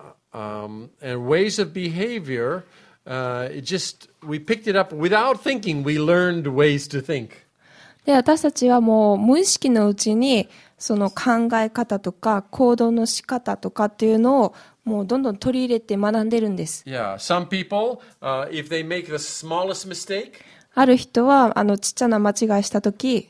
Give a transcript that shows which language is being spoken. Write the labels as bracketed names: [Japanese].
[English] And ways of behavior, it just we picked it up without thinking. We learned ways to think. [Japanese] で、私たちはもう無意識のうちにその考え方とか行動の仕方とかっていうのをもうどんどん取り入れて学んでるんです。 [English] Yeah, some people, if they make the smallest mistake, [Japanese] ある人はちっちゃな間違いしたとき、